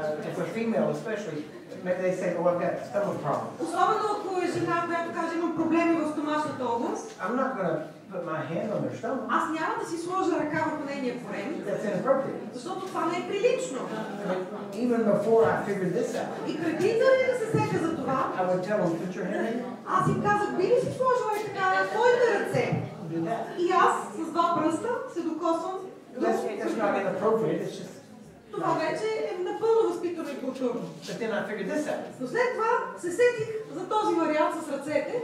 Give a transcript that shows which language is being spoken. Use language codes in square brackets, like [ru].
[en] If a female especially, maybe they say, oh, I've got stomach problems. [bg] Особено ако е жена, която каже, имам проблеми в стомашната област. [en] I'm not gonna put my hand on her stomach. [bg] Аз няма да си сложа ръка върху нейния корем. [en] That's inappropriate. [bg] Защото това не е прилично. [en] Even before I figured this out. [bg] И преди да се сеча за това. [en] I would tell them, put your hand in. [bg] Аз им казах, би ли си сложила и така на твоите ръце? И аз с два пръста се докосвам. [en] That's not inappropriate, it's just. [bg] Това вече е напълно възпитано и културно. Но след това се сетих за този вариант с ръцете.